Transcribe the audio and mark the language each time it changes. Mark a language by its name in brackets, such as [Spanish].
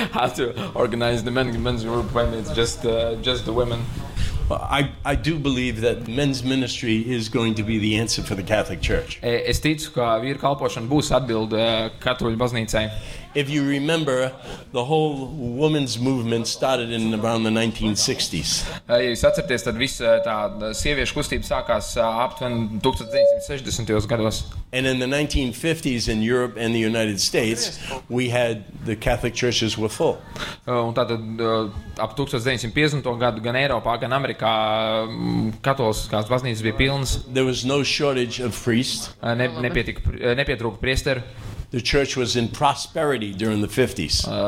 [English] How to organize the men's group when it's just the women. I do believe that men's ministry is going to be the answer for the Catholic Church. [Latvian] Es ticu, ka vīru kalpošana būs atbilde katoļu baznīcai. [English] If you remember, the whole women's movement started in around the 1960s. [Latvian] Ja jūs atceraties, tad visa tā sieviešu kustība sākās aptuveni 1960. Gados. [English] And in the 1950s in Europe and the United States, we had the Catholic churches were full. [Latvian] Un tātad ap 1950. Gadu gan Eiropā, gan Amerikā katoliskās baznīcas bija pilnas. [English] There was no shortage of priests. [Latvian] Nepietrūka priesteru. [English] The church was in prosperity during the 50s.